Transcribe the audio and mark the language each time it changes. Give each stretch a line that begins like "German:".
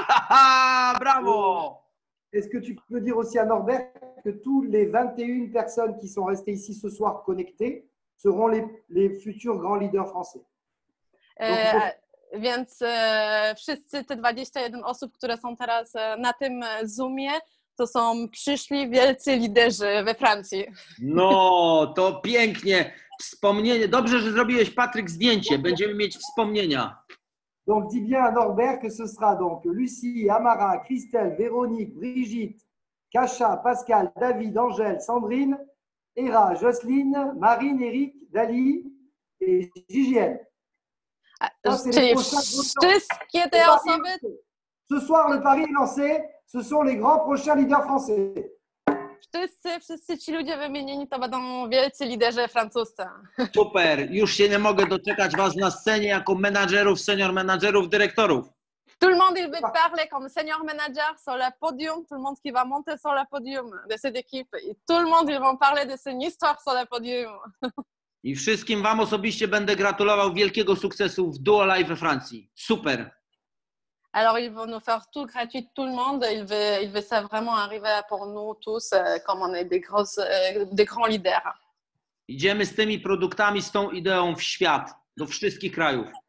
French: Bravo. Est-ce que tu peux dire aussi à Norbert que tous les 21 personnes qui sont restées ici ce soir connectées seront les futurs grands leaders français?
Polish: Więc wszyscy te 21 osób, które są teraz na tym Zoomie, to są przyszli wielcy liderzy we Francji. No, to pięknie. Wspomnienie. Dobrze, że zrobiłeś, Patryk, zdjęcie. Będziemy mieć wspomnienia.
French: Donc, dis bien à Norbert que ce sera donc Lucie, Amara, Christelle, Véronique, Brigitte, Kasia, Pascal, David, Angèle, Sandrine, Hera, Jocelyne, Marine, Eric, Dali et Gigiène.
Polish: Wszystkie te osoby...
French: Ce soir, le pari est lancé. Ce sont les grands prochains leaders français.
Polish: Wszyscy ci ludzie wymienieni to będą wielcy liderzy francuscy. Super, już się nie mogę doczekać was na scenie jako menadżerów, senior menadżerów, dyrektorów.
French: Tout le monde il veut parler comme senior manager sur le podium, tout le monde qui va monter sur le podium de cette équipe. I tout le monde ils vont parler de son histoire sur le podium.
Polish: I wszystkim wam osobiście będę gratulował wielkiego sukcesu w Duo Live we Francji. Super.
French: Alors, ils vont nous faire tout gratuit, tout le monde. Ils veulent ça vraiment arriver pour nous tous, comme on est des grands leaders.
Polish: Idziemy z tymi produktami, z tą ideą w świat, do wszystkich krajów.